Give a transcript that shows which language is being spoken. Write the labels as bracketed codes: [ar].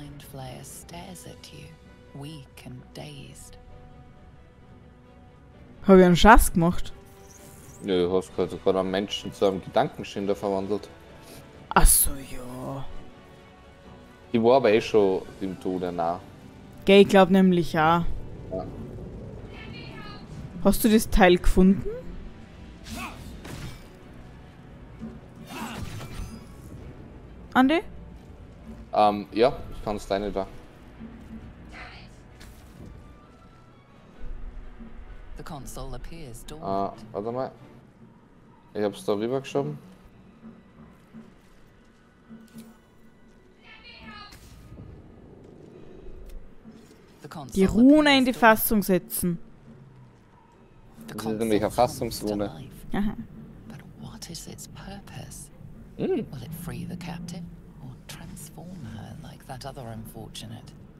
[en] Flayer stares at you, weak and dazed. [de] Hab ich einen Scheiß gemacht? Nö, ja, hast gerade sogar einen Menschen zu einem Gedankenschinder verwandelt. Ach so, ja. Ich war aber eh schon dem Tode nah. Gell, ich glaub nämlich auch. Ja. Hast du das Teil gefunden? Andi? Ja. Kannst deine da. [en] The console appears dormant. [de] Warte mal. Ich hab's da rüber geschoben. Die Rune in die Fassung setzen. Das ist nämlich eine Fassungsrune. [en] But what is its purpose? Will it free the captive? Transform her like that other unfortunate.